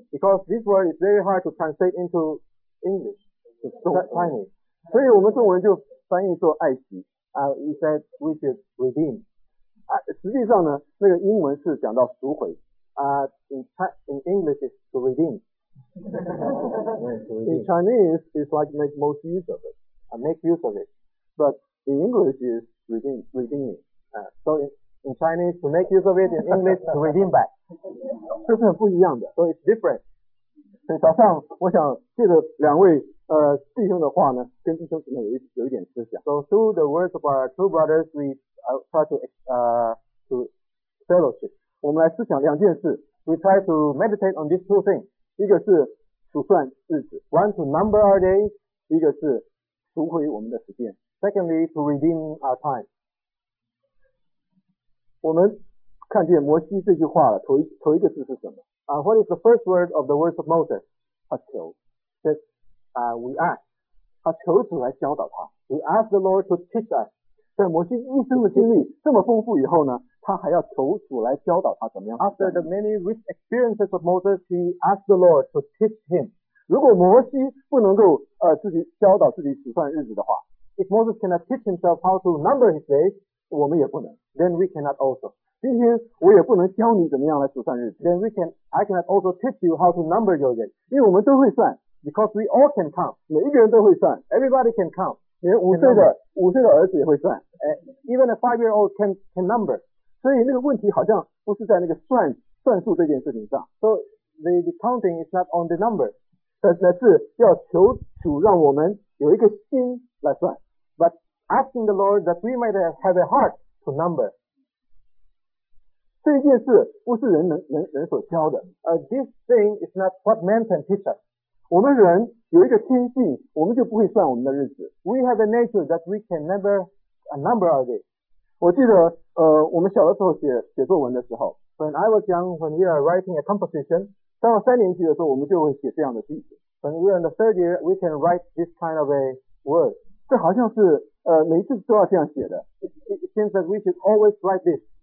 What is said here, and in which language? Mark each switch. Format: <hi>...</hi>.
<en>Because this word is very hard to translate into English, Chinese.</en> <zh>所以我们中文就翻译做爱惜。</zh> <en>He said we should redeem.</en> <zh>实际上呢，那个英文是讲到赎回。</zh> <en>In English is to redeem. In Chinese is like make most use of it. Make use of it. But the English is redeeming. So in Chinese to make use of it, in English to redeem back.</en> <zh>这是很不一样的。</zh> <en>So it's different.</en> <zh>所以早上我想借着两位弟兄的话呢，跟弟兄姊妹有一点思想。</zh> <en>So through the words of our two brothers, we try to fellowship.</en> <zh>我们来思想两件事。</zh> <en>We try to meditate on these two things.</en> <zh>一个是数算日子</zh> <en>，one to number our days.</en> <zh>一个是赎回我们的时间</zh> <en>，secondly to redeem our time.</en> <zh>我们看见摩西这句话了，头一个字是什么</zh> <en>？What is the first word of the words of Moses?</en> <zh>他求</zh> <en>，says, we ask.</en> <zh>他求主来教导他。</zh> <en>We ask the Lord to teach us.</en> <zh>在摩西一生的经历这么丰富以后呢？他还要求主来教导他怎么样。</zh> <en>After the many rich experiences of Moses, he asked the Lord to teach him.</en> <zh>如果摩西不能够自己教导自己数算日子的话</zh> <en>，If Moses cannot teach himself how to number his days,</en> <zh>我们也不能。</zh> <en>Then we cannot also.</en> <zh>今天我也不能教你怎么样来数算日子。</zh> <en>Then I cannot also teach you how to number your days.</en> <zh>因为我们都会算</zh> <en>，because we all can count.</en> <zh>每一个人都会算</zh> <en>，everybody can count.</en> <zh>连五岁的儿子也会算</zh> <en>，even a 5-year-old can number.</en> <zh>所以那个问题好像不是在那个算数这件事情上。</zh> <en>So the counting is not on the number.</en> <zh>但是要求主让我们有一个心来算。</zh> <en>But asking the Lord that we might have a heart to number.</en> <zh>这件事不是人所教的。</zh> <en>This thing is not what man can teach us.</en> <zh>我们人有一个天性，我们就不会算我们的日子。</zh> <en>We have a nature that we can never number our days.</en> <zh>我记得我们小的时候写作文的时候</zh> <en>When I was young, when we are writing a composition,</en> <zh>到三年级的时候我们就会写这样的句子</zh> <en>When we are in the third year, we can write this kind of a word.</en> <zh>这好像是每一次都要这样写的</zh> <en>It seems that we should always write this.</en>